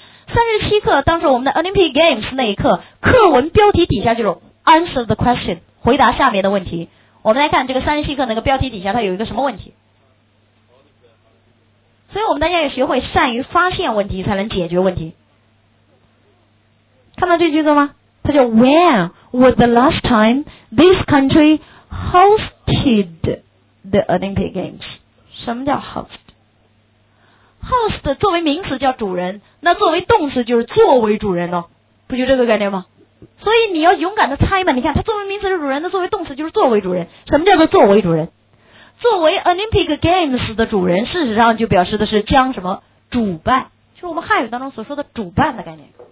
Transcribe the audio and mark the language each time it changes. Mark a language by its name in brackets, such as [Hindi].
[Chinese] 37课当时我们的 Olympic Games 那一课课文标题底下就是 [English] Answer the question， [Chinese] 回答下面的问题。我们来看这个37课那个标题底下它有一个什么问题。所以我们大家也学会善于发现问题才能解决问题。看到这句子吗？它叫 [English] When was the last time this country hosted the Olympic Games。 [Chinese] 什么叫 host？ Host 作为名词叫主人，那作为动词就是作为主人哦，不就这个概念吗？所以你要勇敢的猜嘛，你看它作为名词是主人，那作为动词就是作为主人。什么叫做作为主人？作为 Olympic Games 的主人，事实上就表示的是将什么主办，就是我们汉语当中所说的主办的概念。